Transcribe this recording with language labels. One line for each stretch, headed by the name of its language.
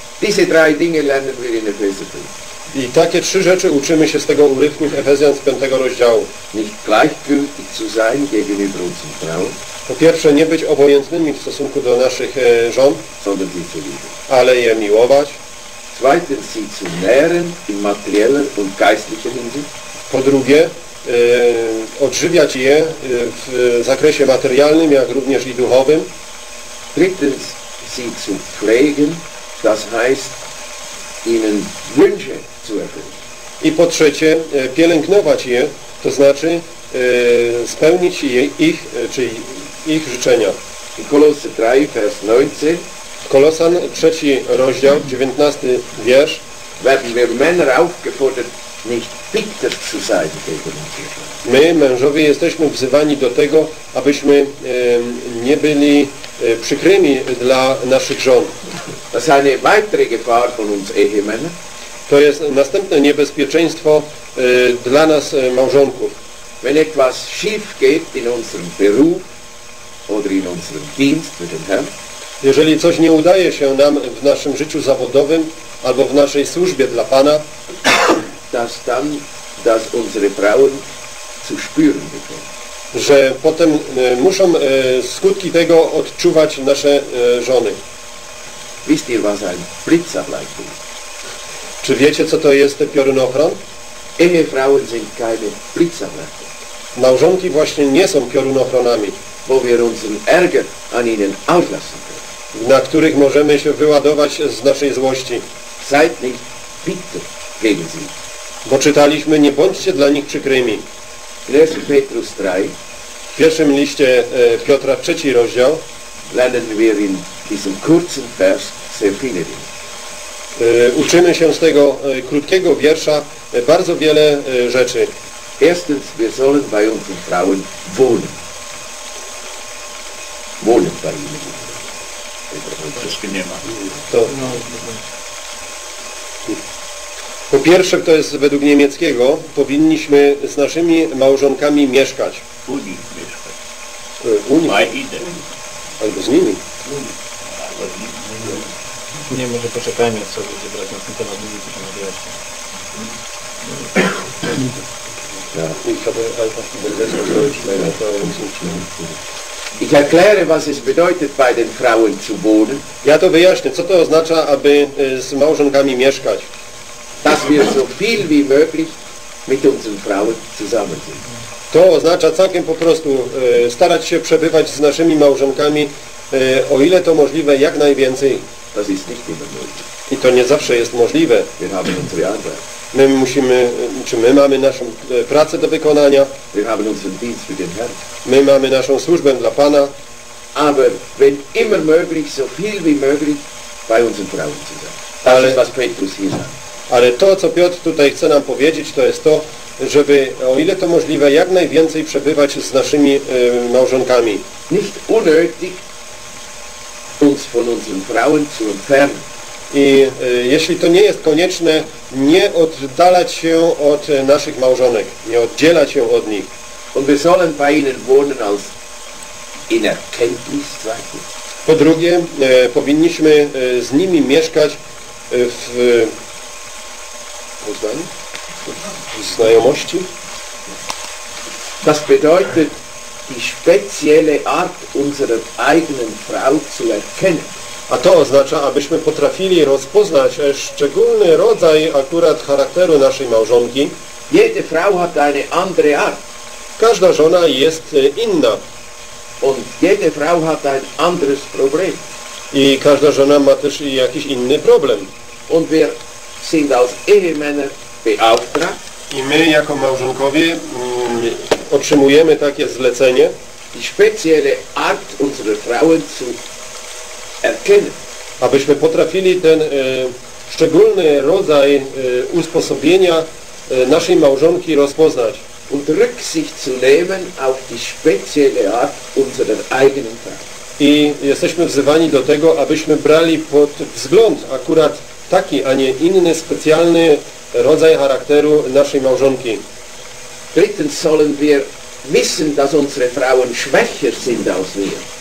German: Diese drei Dinge lernen wir in Epheser.
Polish: I takie trzy rzeczy uczymy się z tego urywku w Efezjan z 5 rozdziału.
German: Nicht gleichgültig zu sein gegenüber unseren Frauen.
Polish: Po pierwsze, nie być obojętnymi w stosunku do naszych żon, ale je miłować.
German: Zweitens, sie zu nähren im materiellen und geistlichen Hinsicht.
Polish: Po drugie, odżywiać je w zakresie materialnym, jak również i duchowym.
German: drittens sie zu pflegen, das heißt ihnen Wünsche zu erfüllen.
Polish: I po trzecie, pielęgnować je, to znaczy spełnić ich, czyli ich życzenia.
German: Kolosy 3, vers 19.
Polish: Kolosan 3, rozdział, 19 wiersz.
German: Werden wir Männer aufgefordert, nicht bitter zu sein gegen uns.
Polish: My, mężowie, jesteśmy wzywani do tego, abyśmy nie byli przykrymi dla naszych żon. To jest
German: eine weitere Gefahr von uns Ehemänner.
Polish: To jest następne niebezpieczeństwo dla nas małżonków.
German: Wenn etwas schief geht in unserem Beruf oder in unserem Dienst mit dem Herrn.
Polish: Jeżeli coś nie udaje się nam w naszym życiu zawodowym albo w naszej służbie dla Pana,
German: dass unsere Frauen zu spüren bekommen.
Polish: Że potem muszą skutki tego odczuwać nasze żony.
German: Wisst ihr, was ein Blitzableiter ist?
Polish: Czy wiecie, co to jest piorunochron?
German: Ehefrauen sind keine Blitzableiter.
Polish: Małżonki właśnie nie są piorunochronami. Bo
German: wir unseren Ärger an ihnen auslassen können.
Polish: Na których możemy się wyładować z naszej złości.
German: Seid nicht bitter gegen sie.
Polish: Bo czytaliśmy, nie bądźcie dla nich przykrymi.
German: Petrus 3.
Polish: W pierwszym liście Piotra, 3 rozdział.
German: Lernen wir in diesem kurzen Vers sehr viele Dinge. Uczymy się z tego krótkiego wiersza bardzo wiele rzeczy. Erstens, wir sollen bei unseren Frauen wohnen. Wohnen bei ihnen.
Polish: Po pierwsze, to jest według niemieckiego, powinniśmy z naszymi małżonkami mieszkać. U nich mieszkać. U nich. Albo z nimi. Nie, może poczekajmy, co będzie brać na ten temat, nie wiem, co będzie.
German: Ich erkläre, was es bedeutet, bei den Frauen zu wohnen.
Polish: Ja to wyjaśnię, co to oznacza, aby z małżonkami mieszkać.
German: Dass wir so viel wie möglich mit unseren Frauen zusammen sind.
Polish: To oznacza całkiem po prostu starać się przebywać z naszymi małżonkami, o ile to możliwe, jak najwięcej.
German: Das ist nicht immer möglich.
Polish: I to nie zawsze jest możliwe.
German: Wir haben unsere Arbeit.
Polish: My musimy, czy my mamy naszą pracę do wykonania.
German: Wir haben unseren Dienst für den Herrn.
Polish: My mamy naszą służbę dla Pana.
German: Aber wenn immer möglich, so viel wie möglich, bei unseren Frauen zu sein.
Polish: Ale,
German: was Petrus hier sagt.
Polish: Ale to, co Piotr tutaj chce nam powiedzieć, to jest to, żeby, o ile to możliwe, jak najwięcej przebywać z naszymi małżonkami.
German: Nicht unnötig, uns von unseren Frauen zu entfernen.
Polish: I jeśli to nie jest konieczne, nie oddalać się od naszych małżonek, nie oddzielać się od nich.
German: Und wir sollen bei ihnen wohnen als in Erkenntnis.
Polish: Po drugie, powinniśmy z nimi mieszkać w znajomości.
German: Das bedeutet die spezielle Art unserer eigenen Frau zu erkennen.
Polish: A to oznacza, abyśmy potrafili rozpoznać szczególny rodzaj akurat charakteru naszej małżonki.
German: Jede Frau hat eine andere Art.
Polish: Każda żona jest inna.
German: Und jede Frau hat ein anderes Problem.
Polish: I każda żona ma też jakiś inny problem.
German: Und wir sind als Ehemänner beauftragt.
Polish: I my jako małżonkowie otrzymujemy takie zlecenie.
German: Die spezielle Art unserer Frauen zu erkennen.
Polish: Abyśmy potrafili ten szczególny rodzaj usposobienia naszej małżonki rozpoznać.
German: Und Rücksicht zu nehmen auf die spezielle Art unserer eigenen Frau.
Polish: I jesteśmy wzywani do tego, abyśmy brali pod wzgląd akurat taki, a nie inny, specjalny rodzaj charakteru naszej małżonki.
German: Drittens sollen wir wissen, dass unsere Frauen schwächer sind als wir.